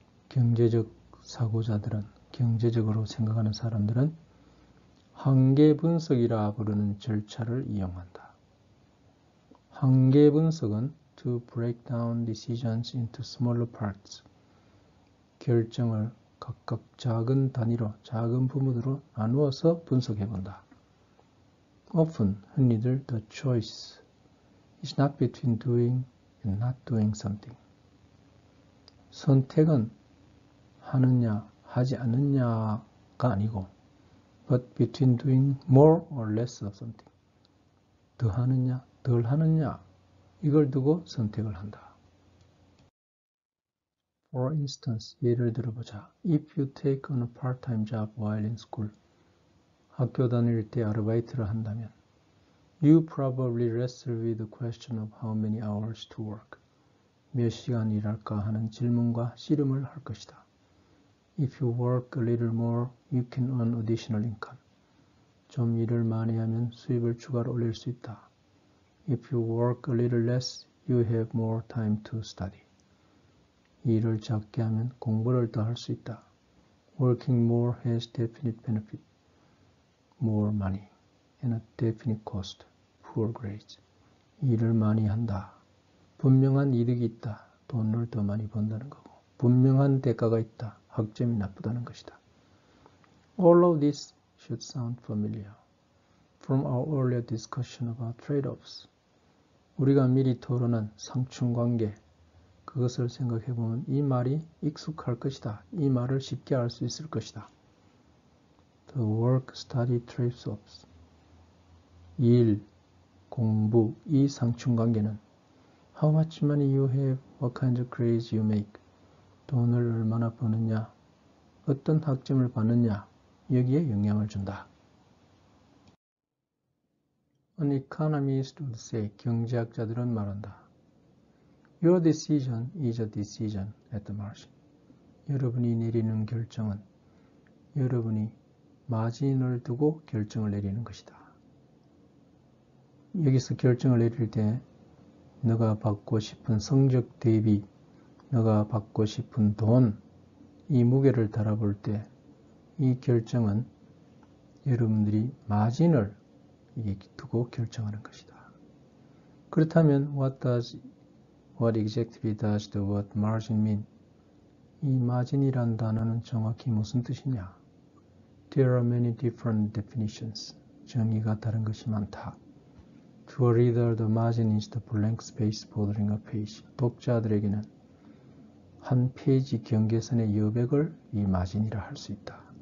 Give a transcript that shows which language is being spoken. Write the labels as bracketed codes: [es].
[ko] 경제적 사고자들은, 경제적으로 생각하는 사람들은 한계 분석이라 부르는 절차를 이용한다. 한계 분석은 [en] to break down decisions into smaller parts. [ko] 결정을 각각 작은 단위로, 작은 부분으로 나누어서 분석해 본다. [en] Often, [ko] 흔히들 [en] the choice is not between doing and not doing something. [ko] 선택은 하느냐, 하지 않느냐가 아니고, [en] but between doing more or less of something. [ko] 더 하느냐, 덜 하느냐, 이걸 두고 선택을 한다. [en] For instance, [ko] 예를 들어보자. [en] If you take on a part-time job while in school, [ko] 학교 다닐 때 아르바이트를 한다면, [en] you probably wrestle with the question of how many hours to work. [ko] 몇 시간 일할까 하는 질문과 씨름을 할 것이다. [en] If you work a little more, you can earn additional income. [ko] 좀 일을 많이 하면 수입을 추가로 올릴 수 있다. [en] If you work a little less, you have more time to study. [ko] 일을 적게 하면 공부를 더 할 수 있다. [en] Working more has definite benefit. More money and a definite cost. Poor grades. [ko] 일을 많이 한다. 분명한 이득이 있다. 돈을 더 많이 번다는 거고. 분명한 대가가 있다. 학점이 나쁘다는 것이다. [en] All of this should sound familiar from our earlier discussion about trade-offs. [ko] 우리가 미리 토론한 상충관계, 그것을 생각해 보면 이 말이 익숙할 것이다. 이 말을 쉽게 알 수 있을 것이다. [en] The work-study trade-offs. [ko] 일, 공부, 이 상충관계는 [en] How much money you have, what kind of grades you make, [ko] 돈을 얼마나 버느냐, 어떤 학점을 받느냐, 여기에 영향을 준다. [en] An economist would say, [ko] 경제학자들은 말한다. [en] Your decision is a decision at the margin. [ko] 여러분이 내리는 결정은 여러분이 마진을 두고 결정을 내리는 것이다. 여기서 결정을 내릴 때 너가 받고 싶은 성적 대비 너가 받고 싶은 돈, 이 무게를 달아볼 때 이 결정은 여러분들이 마진을 두고 결정하는 것이다. 그렇다면 [en] what exactly does the word margin mean? [ko] 이 마진이란 단어는 정확히 무슨 뜻이냐? [en] There are many different definitions. [ko] 정의가 다른 것이 많다. [en] To a reader, the margin is the blank space bordering a page. [ko] 독자들에게는 한 페이지 경계선의 여백을 이 마진이라 할 수 있다.